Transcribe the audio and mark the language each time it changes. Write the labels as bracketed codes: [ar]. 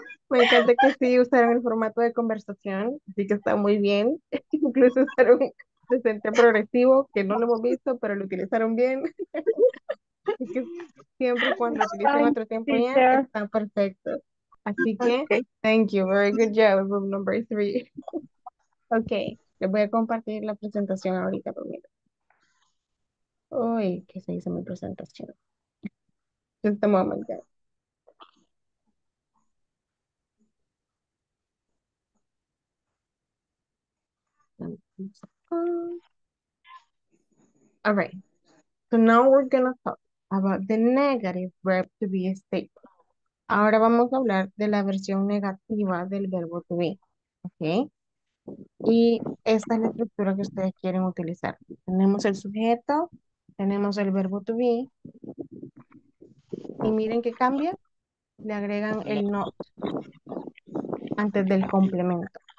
[es] Me encanta que sí usaron el formato de conversación, así que está muy bien. Incluso usaron decente progresivo, que no lo hemos visto, pero lo utilizaron bien. Así que siempre cuando utilizan otro tiempo ya, está perfecto. Así que, okay. [en] Thank you, very good job, room number three. [es] Ok, les voy a compartir la presentación ahorita primero. Uy, ¿qué se dice mi presentación? [en] Just a moment, guys. All right, so now we're going to talk about the negative verb to be stable. [es] Ahora vamos a hablar de la versión negativa del verbo to be, ¿ok? Y esta es la estructura que ustedes quieren utilizar. Tenemos el sujeto, tenemos el verbo to be, y miren qué cambia, le agregan el not antes del complemento.